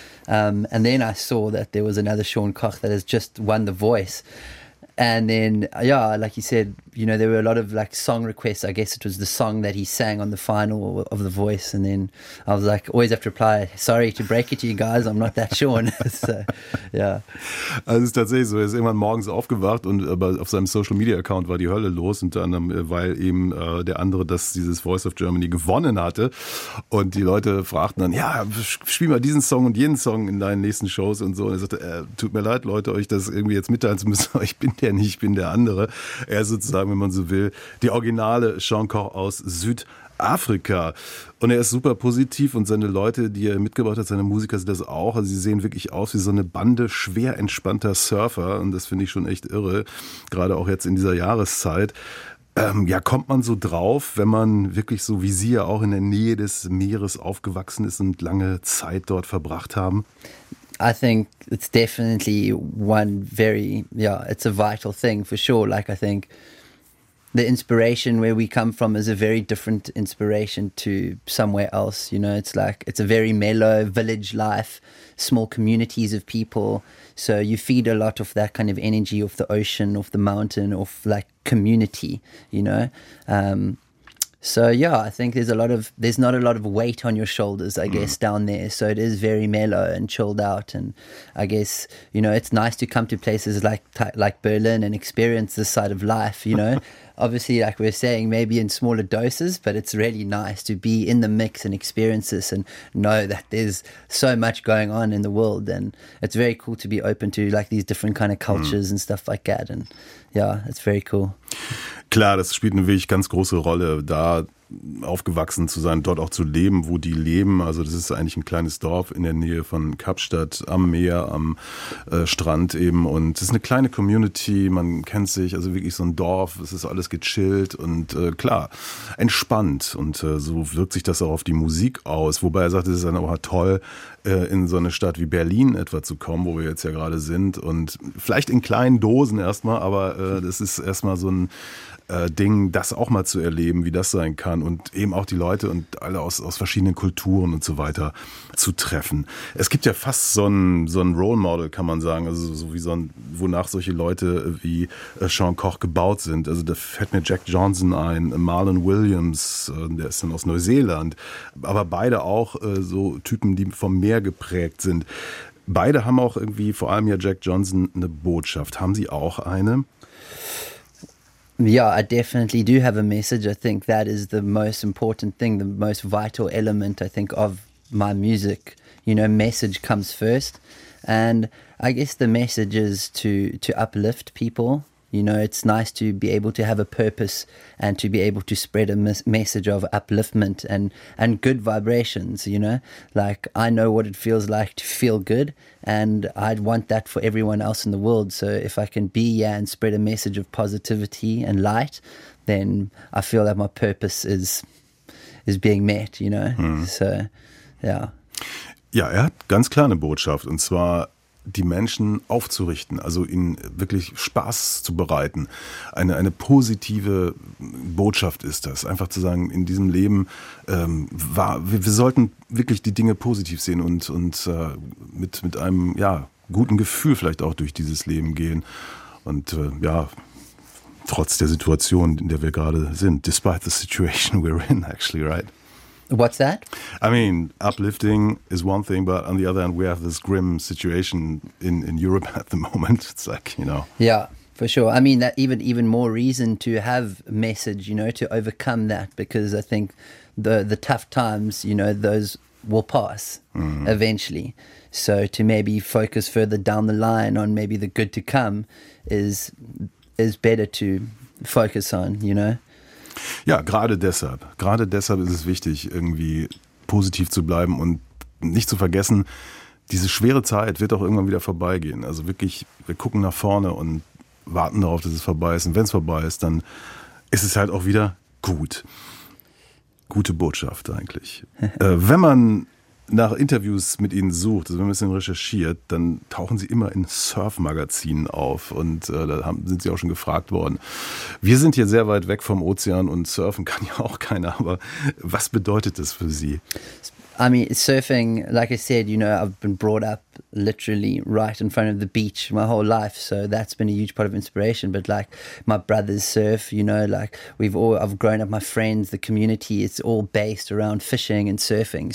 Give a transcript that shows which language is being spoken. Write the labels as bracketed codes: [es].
[en] And then I saw that there was another Sean Koch that has just won The Voice, and then yeah, like you said, you know, there were a lot of like song requests. I guess it was the song that he sang on the final of The Voice, and then I was like, always have to reply, "Sorry to break it to you guys, I'm not that Sean." So, yeah. [de] Also es ist tatsächlich so, er ist irgendwann morgens aufgewacht und auf seinem Social-Media-Account war die Hölle los, unter anderem, weil eben der andere dieses Voice of Germany gewonnen hatte und die Leute fragten dann, ja, spiel mal diesen Song und jenen Song in deinen nächsten Shows und so. Und er sagte, tut mir leid, Leute, euch das irgendwie jetzt mitteilen zu müssen, aber ich bin der nicht, ich bin der andere. Er ist sozusagen, wenn man so will, die originale Sean Koch aus Südafrika. Und er ist super positiv und seine Leute, die er mitgebracht hat, seine Musiker sind das auch. Also sie sehen wirklich aus wie so eine Bande schwer entspannter Surfer und das finde ich schon echt irre, gerade auch jetzt in dieser Jahreszeit. Ja, kommt man so drauf, wenn man wirklich so wie sie ja auch in der Nähe des Meeres aufgewachsen ist und lange Zeit dort verbracht haben? [en] I think it's definitely one very, yeah, it's a vital thing for sure. Like I think the inspiration where we come from is a very different inspiration to somewhere else. You know, it's like, it's a very mellow village life, small communities of people. So you feed a lot of that kind of energy off the ocean, off the mountain, off like community, you know? So yeah, I think there's not a lot of weight on your shoulders, I guess, down there. So it is very mellow and chilled out. And I guess, you know, it's nice to come to places like Berlin and experience this side of life, you know? Obviously, like we're saying, maybe in smaller doses, but it's really nice to be in the mix and experience this and know that there's so much going on in the world. And it's very cool to be open to like these different kind of cultures and stuff like that. And yeah, it's very cool. [de] Klar, das spielt eine wirklich ganz große Rolle, da aufgewachsen zu sein, dort auch zu leben, wo die leben. Also das ist eigentlich ein kleines Dorf in der Nähe von Kapstadt am Meer, am Strand eben. Und es ist eine kleine Community, man kennt sich, also wirklich so ein Dorf, es ist alles gechillt und klar, entspannt. Und so wirkt sich das auch auf die Musik aus. Wobei er sagt, es ist dann auch toll, in so eine Stadt wie Berlin etwa zu kommen, wo wir jetzt ja gerade sind. Und vielleicht in kleinen Dosen erstmal, aber das ist erstmal so ein Ding, das auch mal zu erleben, wie das sein kann und eben auch die Leute und alle aus verschiedenen Kulturen und so weiter zu treffen. Es gibt ja fast so ein Role Model, kann man sagen, also so wie so ein, wonach solche Leute wie Sean Koch gebaut sind. Also da fällt mir Jack Johnson ein, Marlon Williams, der ist dann aus Neuseeland, aber beide auch so Typen, die vom Meer geprägt sind. Beide haben auch irgendwie, vor allem ja Jack Johnson, eine Botschaft. Haben Sie auch eine? [en] Yeah, I definitely do have a message. I think that is the most important thing, the most vital element, I think, of my music. You know, message comes first. And I guess the message is to uplift people. You know, it's nice to be able to have a purpose and to be able to spread a message of upliftment and good vibrations, you know. Like, I know what it feels like to feel good, and I'd want that for everyone else in the world. So if I can be and spread a message of positivity and light, then I feel that my purpose is being met, you know. Mm. So, yeah. [de] Ja, er hat ganz klar eine Botschaft, und zwar die Menschen aufzurichten, also ihnen wirklich Spaß zu bereiten. Eine positive Botschaft ist das, einfach zu sagen, in diesem Leben wir sollten wirklich die Dinge positiv sehen und mit einem ja guten Gefühl vielleicht auch durch dieses Leben gehen und ja trotz der Situation, in der wir gerade sind, [en] despite the situation we're in actually, right? What's that? I mean, uplifting is one thing, but on the other hand, we have this grim situation in Europe at the moment. It's like, you know. Yeah, for sure. I mean, that even more reason to have message, you know, to overcome that, because I think the tough times, you know, those will pass eventually. So to maybe focus further down the line on maybe the good to come is better to focus on, you know. [de] Ja, gerade deshalb ist es wichtig, irgendwie positiv zu bleiben und nicht zu vergessen, diese schwere Zeit wird auch irgendwann wieder vorbeigehen. Also wirklich, wir gucken nach vorne und warten darauf, dass es vorbei ist. Und wenn es vorbei ist, dann ist es halt auch wieder gut. Gute Botschaft eigentlich. Wenn man nach Interviews mit Ihnen sucht, also wenn man ein bisschen recherchiert, dann tauchen Sie immer in Surf-Magazinen auf und sind Sie auch schon gefragt worden. Wir sind hier sehr weit weg vom Ozean und surfen kann ja auch keiner, aber was bedeutet das für Sie? [en] I mean, surfing, like I said, you know, I've been brought up literally right in front of the beach my whole life, so that's been a huge part of inspiration. But like, my brothers surf, you know, like I've grown up, my friends, the community, it's all based around fishing and surfing.